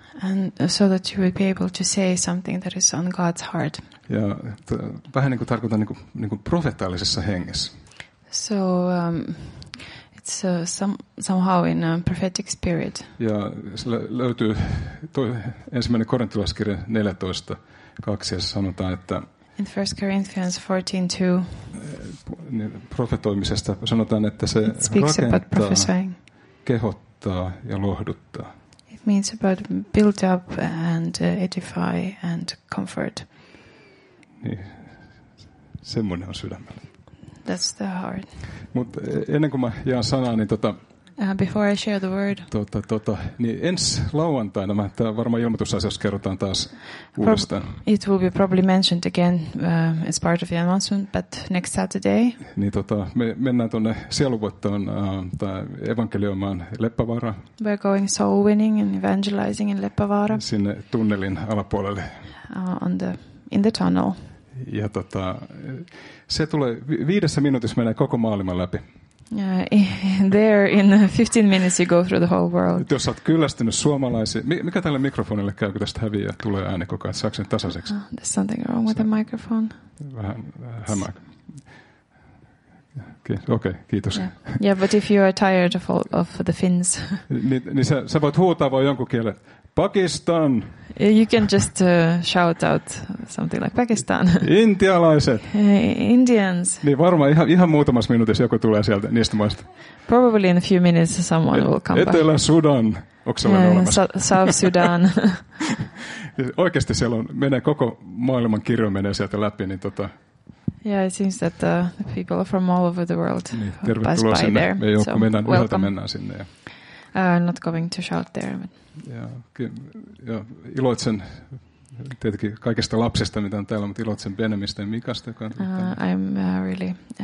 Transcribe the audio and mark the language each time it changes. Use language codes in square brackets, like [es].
[en] And so that you would be able to say something that is on God's heart. [fi] Ja vähän niin kuin tarkoitan niin kuin profetaalisessa hengessä. [en] So it's somehow in a prophetic spirit. [fi] Ja se löytyy ensimmäinen korintolaiskirja 14:2 ja sanotaan, että [en] in 1 Corinthians 14:2 [fi] profetoimisesta sanotaan, että se rakentaa, kehottaa ja lohduttaa. [en] It means about build up and edify and comfort. [fi] Niin, semmoinen on sydämellä. [en] That's the heart. [fi] Mut ennen kuin mä jaan sanaa, niin [en] before I share the word. [fi] Niin ensi lauantaina mä tää varmaan ilmoitusasiassa kerrotaan taas uudestaan. [en] It will be probably mentioned again as part of the announcement, but next Saturday. [fi] Niin me mennään tuonne sieluvoittoon tai evankelioimaan Leppävaara. [en] We're going soul winning and evangelizing in Leppävaara. [fi] Sinne tunnelin alapuolelle. [en] In the tunnel. [fi] Ja se tulee 5 minuutissa menee koko maailman läpi. [en] There in 15 minutes you go through the whole world. [fi] Jos olet kyllästynyt suomalaisiin, mikä tälle mikrofonille käy, kun tästä häviää, tulee ääni koko ajan, saako sen tasaiseksi? [en] There's something wrong with the microphone. [fi] Vähän hämää. Okay, kiitos. [en] Yeah, but if you are tired of all of the Finns. [fi] Niin sä voit huutaa vaan jonkun kielen. Pakistan. [en] You can just shout out something like Pakistan. [fi] Intialaiset. [en] Indians. [fi] Niin varmaan ihan muutamassa minuutissa joku tulee sieltä niistä maista. [en] Probably in a few minutes someone will come. [fi] Etelä-Sudan. Onko sellainen olemassa? [en] South Sudan. [fi] Oikeasti siellä menee koko maailman kirjo menee sieltä läpi, niin [en] Yeah, it seems that the people from all over the world pass by [fi] sinne. [en] There. [fi] Me joku mennään yhdeltä mennään sinne. [en] I'm not going to shout there. But [fi] ja iloitsen tietenkin kaikista lapsista, mitä on täällä, mutta iloitsen Benemistä ja Mikasta, joka on tullut.